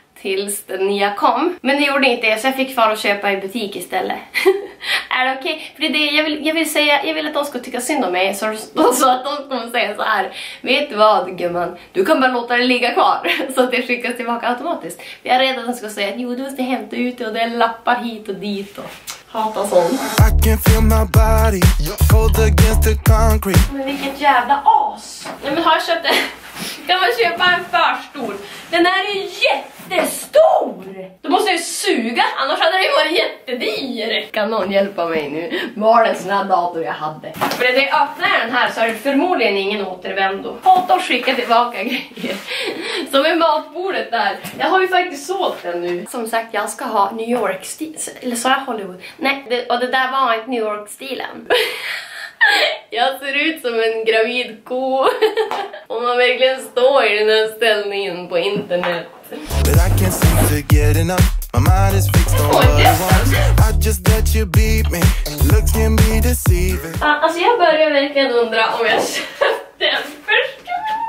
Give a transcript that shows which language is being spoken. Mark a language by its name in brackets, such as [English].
[Swedish] Tills den nya kom. Men det gjorde inte det, så jag fick fara att köpa i butik istället. Är det okej? Okay? För det är det jag vill säga, jag vill att de ska tycka synd om mig. Så att de kommer säga så här. Vet du vad gumman, du kan bara låta det ligga kvar. Så att det skickas tillbaka automatiskt. För jag är rädd att de ska säga att jo, du måste hämta ut det och det är lappar hit och dit och... Hata sånt. [English] I can feel my body, you're cold against the concrete. [Swedish] Men vilket jävla as. Nej men har jag köpt en... Kan man köpa en förstor? Den här är ju jättestor! Då måste jag ju suga, annars hade den ju varit jättedyr. Kan någon hjälpa mig nu? Var det en sån här dator jag hade? För när jag öppnar den här så är det förmodligen ingen återvändo. Hata att skicka tillbaka grejer. Som i matbordet där. Jag har ju faktiskt sålt den nu. Som sagt, jag ska ha New York stil. Eller sa jag Hollywood? Nej, och det där var inte New York-stilen. Jag ser ut som en gravid ko. Om man verkligen står i den här ställningen på internet. [English] But I can't seem to get enough. My mind is fixed on what I want. I just let you beat me. Looks can be deceiving. [Swedish] Alltså jag börjar verkligen undra om jag köpte en förstor.